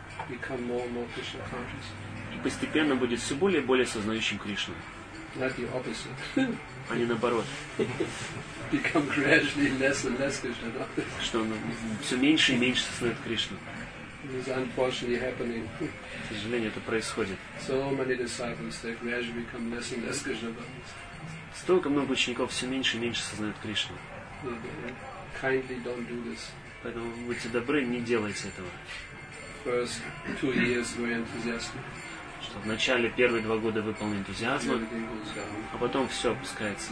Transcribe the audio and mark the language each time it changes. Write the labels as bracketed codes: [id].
[ru] И постепенно будет все более и более сознающим Кришну. [en] Not the opposite. [ru] А не наоборот. [en] Become gradually less and less Krishna conscious. [ru] Что он все меньше и меньше сознает Кришну. [en] This unfortunately happening. [ru] К сожалению, это происходит. [en] So many disciples they gradually become less and less Krishna conscious. [ru] Столько много учеников все меньше и меньше сознают Кришну. [en] Kindly don't do this. [ru] Поэтому будьте добры, не делайте этого. [en] First 2 years very enthusiastic. [ru] Что в начале первые 2 года вы полны энтузиазма, а потом все опускается.